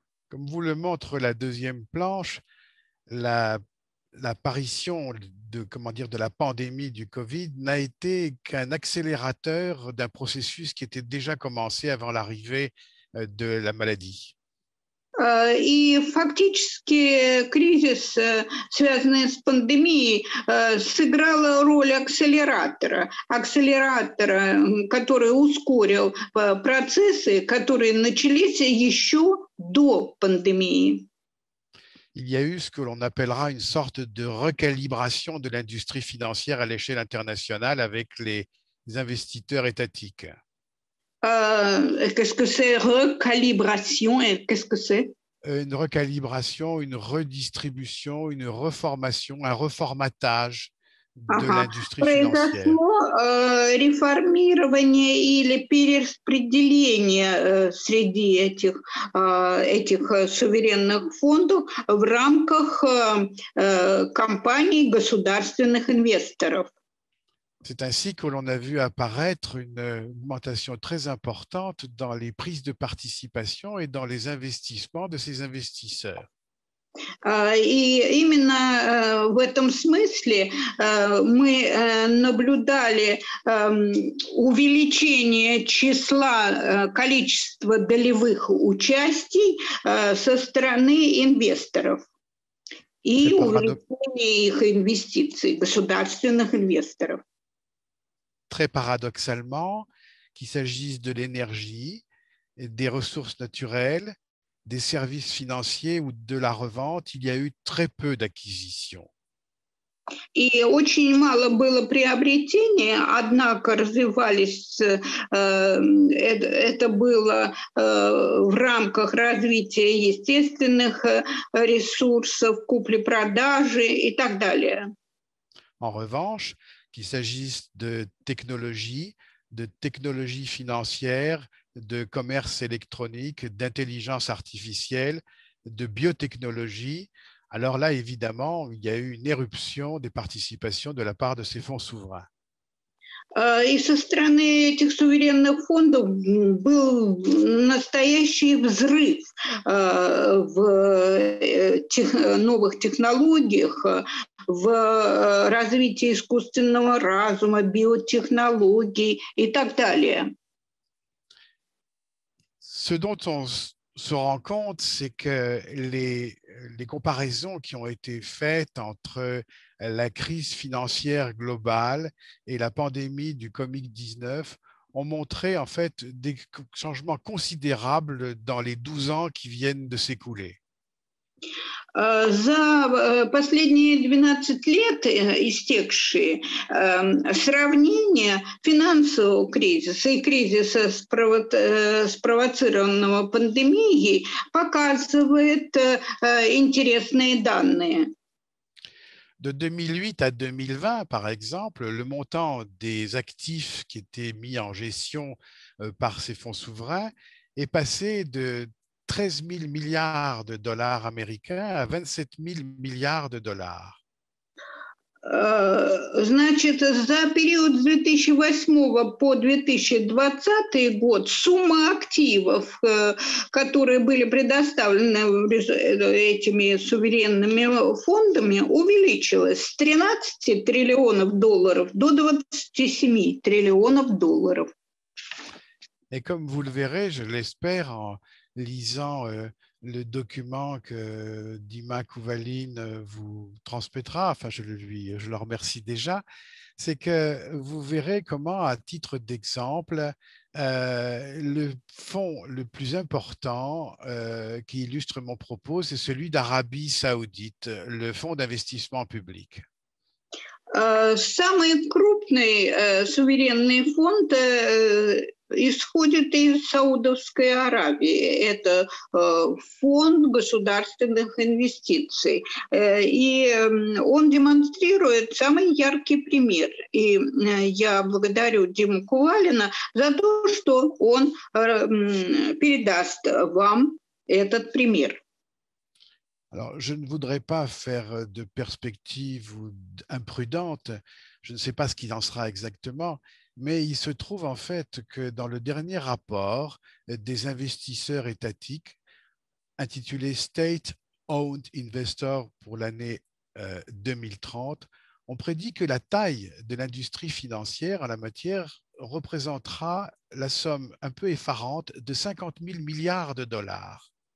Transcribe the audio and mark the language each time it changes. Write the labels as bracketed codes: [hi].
[fr] Comme vous le montre la deuxième planche, l'apparition de la pandémie du COVID n'a été qu'un accélérateur d'un processus qui était déjà commencé avant l'arrivée de la maladie. [ru] И фактически кризис, связанный с пандемией, сыграл роль акселератора, который ускорил процессы, которые начались еще до пандемии. [fr] Il y a eu ce que l'on appellera une sorte de recalibration de l'industrie financière à l'échelle internationale avec les investisseurs étatiques. Qu'est-ce que c'est recalibration et qu'est-ce que c'est? Une recalibration, une redistribution, une reformation, un reformatage de l'industrie financière. [ru] Реформирование или перераспределение среди этих суверенных фондов в рамках компаний государственных инвесторов. [fr] C'est ainsi que l'on a vu apparaître une augmentation très importante dans les prises de participation et dans les investissements de ces investisseurs. Et [ru] именно в этом смысле мы наблюдали увеличение числа количества долевых участий со стороны инвесторов и увеличение их инвестиций, государственных инвесторов. [fr] Très paradoxalement, qu'il s'agisse de l'énergie, des ressources naturelles, des services financiers ou de la revente, il y a eu très peu d'acquisitions. [ru] И очень мало было приобретений, однако развивались, это было в рамках развития естественных ресурсов, купли-продажи и так далее. [fr] En revanche, qu'il s'agisse de technologies financières, de commerce électronique, d'intelligence artificielle, de biotechnologie, alors là, évidemment, il y a eu une éruption des participations de la part de ces fonds souverains. [ru] И со стороны этих суверенных фондов был настоящий взрыв в новых технологиях, в развитии искусственного разума, биотехнологий и так далее. [fr] Ce dont on se rend compte, c'est que les comparaisons qui ont été faites entre la crise financière globale et la pandémie du COVID-19 ont montré en fait des changements considérables dans les 12 ans qui viennent de s'écouler. [ru] За последние 12 лет истекшие сравнение финансового кризиса и кризиса спровоцированного пандемией показывает интересные данные. [fr] De 2008 à 2020, par exemple, le montant des actifs qui étaient mis en gestion par ces fonds souverains est passé de 13 000 milliards de dollars américains à 27 000 milliards de dollars. [ru] Значит, за период с 2008 по 2020 год сумма активов, которые были предоставлены этими суверенными фондами, увеличилась с 13 триллионов долларов до 27 триллионов долларов. [fr] Et comme vous le verrez, je l'espère, en lisant le document que Dima Kouvaline vous transmettra, enfin je le remercie déjà, c'est que vous verrez comment, à titre d'exemple, le fonds le plus important qui illustre mon propos, c'est celui d'Arabie Saoudite, le fonds d'investissement public. [ru] Самый крупный суверенный фонд исходит из Саудовской Аравии. Это фонд государственных инвестиций. И он демонстрирует самый яркий пример. И я благодарю Диму Кувалина за то, что он передаст вам этот пример. [fr] Alors, je ne voudrais pas faire de perspective imprudente. Je ne sais pas ce qu'il en sera exactement. Mais il se trouve en fait que dans le dernier rapport des investisseurs étatiques, intitulé State-Owned Investor pour l'année 2030, on prédit que la taille de l'industrie financière en la matière représentera la somme un peu effarante de 50 000 milliards de dollars.